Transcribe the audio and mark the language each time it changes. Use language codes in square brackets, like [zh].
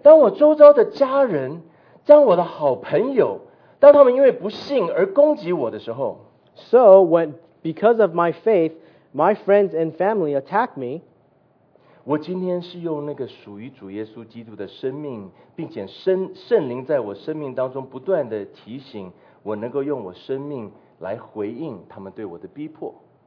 [zh] 当我周遭的家人，当我的好朋友，当他们因为不信而攻击我的时候， [en] So when because of my faith, my friends and family attack me, [zh] 我今天是用那个属于主耶稣基督的生命，并且圣灵在我生命当中不断的提醒，我能够用我生命来回应他们对我的逼迫。